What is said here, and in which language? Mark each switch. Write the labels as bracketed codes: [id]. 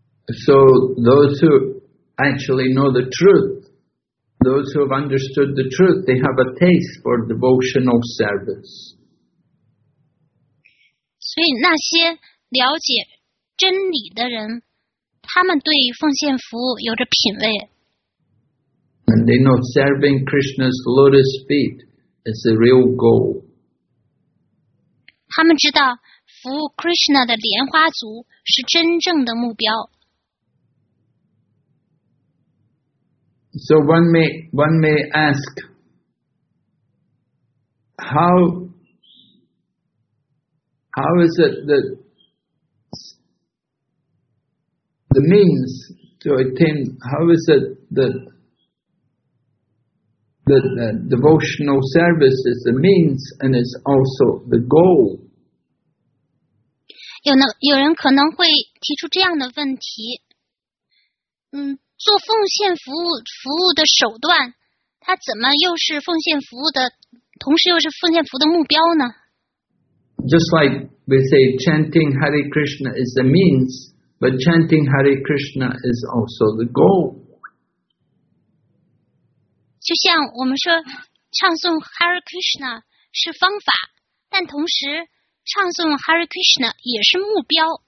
[en] So those who actually know the truth. Those who have understood the truth, they have a taste for devotional service. [zh] 所以那些了解真理的人，他们对奉献服务有着品味。 [en] And they know serving Krishna's lotus feet is the real goal. [zh] 他们知道服务 Krishna 的莲花足是真正的目标。 [en] So one may ask, how is it that the means to attain, how is it that the devotional service is the means and is also the goal? [zh] 有人可能会提出这样的问题，做奉献服务的手段，它怎么又是奉献服务的，同时又是奉献服务的目标呢？ [en] Just like we say chanting Hare Krishna is the means, but chanting Hare Krishna is also the goal. [zh] 就像我们说唱诵 Hare Krishna 是方法，但同时唱诵 Hare Krishna 也是目标。